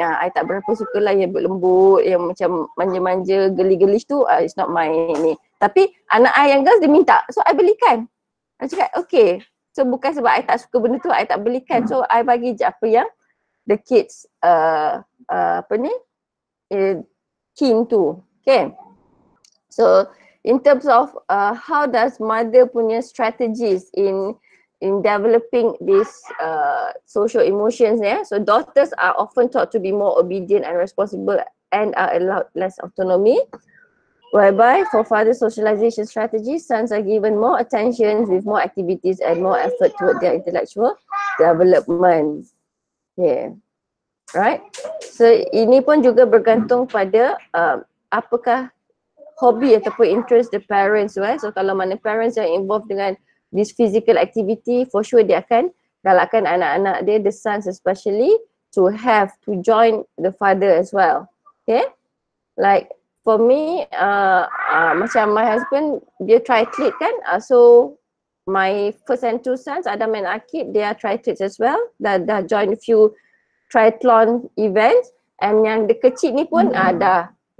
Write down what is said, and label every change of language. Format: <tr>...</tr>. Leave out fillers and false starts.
<ms>Yang I tak berapa suka lah yang lembut, yang macam manja-manja, geli-gelis tu.</ms> <en>It's not my</en> <ms>ni. Tapi anak I yang girls dia minta. So, I belikan. I cakap, okay. So, bukan sebab I tak suka benda tu, I tak belikan. So, I bagi je apa yang the kids apa ni, keen to.</ms> <en>Okay. So in terms of how does mother punya strategies in developing this social emotions, yeah? So daughters are often taught to be more obedient and responsible and are allowed less autonomy, whereby for father socialization strategies, sons are given more attention with more activities and more effort toward their intellectual development. Yeah. Right?</en> <ms>So ini pun juga bergantung pada apakah hobi ataupun interest the parents tu, eh?</ms> <en>So</en> <ms>kalau mana</ms> <en>parents yang involved dengan this physical activity, for sure</en> <ms>dia akan galakkan anak-anak dia,</ms> <en>the sons especially, to join the father as well. Okay? Like for me, macam my husband, dia triathlete kan? So my first and two sons, Adam and Akib, they are triathletes as well. Dah join a few triathlon events.</en> <ms>And yang the kecil ni pun ada.</ms>